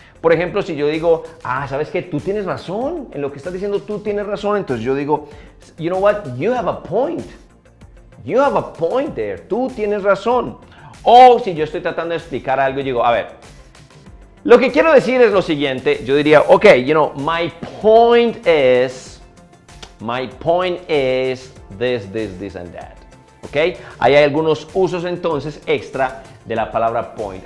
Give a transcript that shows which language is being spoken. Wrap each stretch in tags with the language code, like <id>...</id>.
<es>Por ejemplo, si yo digo, ah, ¿sabes qué? Tú tienes razón. En lo que estás diciendo, tú tienes razón. Entonces yo digo,</es> <en>you know what? You have a point. You have a point there.</en> <es>Tú tienes razón. O si yo estoy tratando de explicar algo, digo, a ver, lo que quiero decir es lo siguiente. Yo diría,</es> <en>ok, you know, my point is this, and that. ¿Ok?</en> <es>Ahí hay algunos usos entonces extra de la palabra point.</es>